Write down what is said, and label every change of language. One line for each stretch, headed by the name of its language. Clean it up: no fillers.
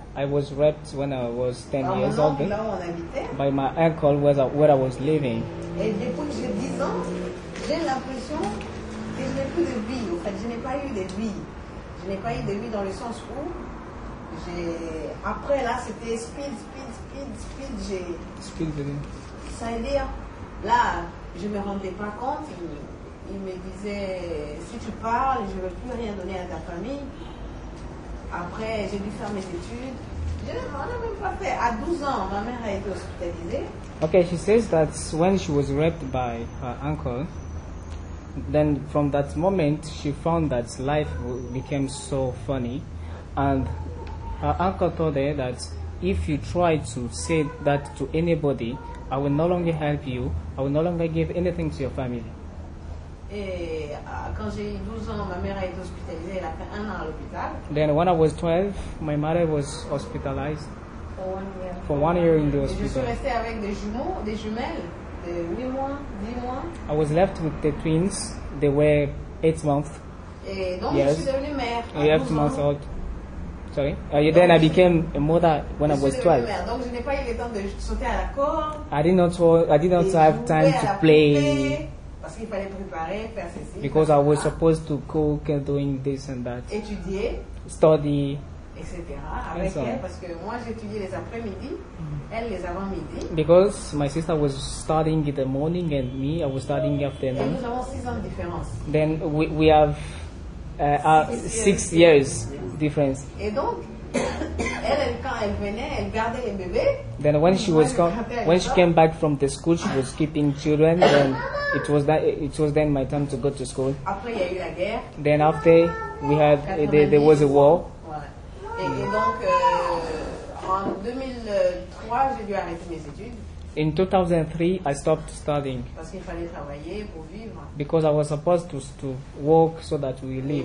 English: I was raped when I was 10 years old by my uncle where I was living.
French: Et depuis que j'ai 10 ans, j'ai l'impression que je n'ai plus de vie. En fait, je n'ai pas eu de vie. Je n'ai pas eu de vie dans le sens où j'ai. Après là, c'était speed. J'ai. Speed de vie. Ça veut dire, là, je ne me rendais pas compte. Il me disait, si tu parles, je ne veux plus rien donner à ta famille. Après, j'ai dû faire mes études. Je ne m'en ai même pas fait. À 12 ans, ma mère a été hospitalisée.
English: Okay, she says that when she was raped by her uncle, then from that moment, she found that life became so funny. And her uncle told her that if you try to say that to anybody, I will no longer help you, I will no longer give anything to your family.
French: Et quand j'ai 12 ans, ma mère a été hospitalisée, elle a fait un an à l'hôpital.
English: Then when I was 12, my mother was hospitalized. For one year in the hospital.
French: Et je suis restée avec des jumeaux, 8 mois, 10 mois.
English: I was left with the twins, they were 8 months.
French: Et donc yes. Je suis devenue mère.
English: 8 months old. Sorry. Then I became a mother when
French: je
English: I was 12.
French: Donc je n'ai pas eu le temps de sauter à la corde.
English: I did not have time to play.
French: Parce qu'il fallait préparer, faire ceci.
English: Because I was supposed to cook and doing this and that.
French: Étudier.
English: Study.
French: Etc. Avec et so elle, parce que moi j'étudiais les après-midi, elle les avant-midi.
English: Because my sister was studying in the morning and me, I was studying afternoon.
French: Et nous avons 6 ans de différence.
English: Then we have 6 years difference.
French: Et donc, elle, quand elle venait, elle gardait les bébés.
English: Then when she was when she came back from the school, she was keeping children. Then it was then my time to go to school.
French: Après, il y a eu la guerre.
English: Then after we had there was a war.
French: Voilà. Et donc, en 2003, j'ai dû arrêter mes études.
English: In 2003, I stopped studying.
French: Parce qu'il fallait travailler pour vivre.
English: Because I was supposed to work so that we live.